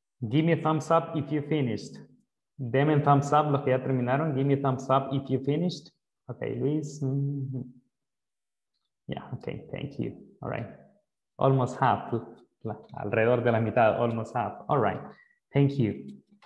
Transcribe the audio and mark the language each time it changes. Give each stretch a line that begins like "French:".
English: Give me a thumbs up if you finished.
Spanish: Deme un thumbs up, los que ya terminaron.
English: Give me a thumbs up if you finished. Okay, Luis. Mm-hmm. Yeah, okay, thank you. All right. Almost half.
Spanish: Alrededor de la mitad,
English: almost half. All right, thank you.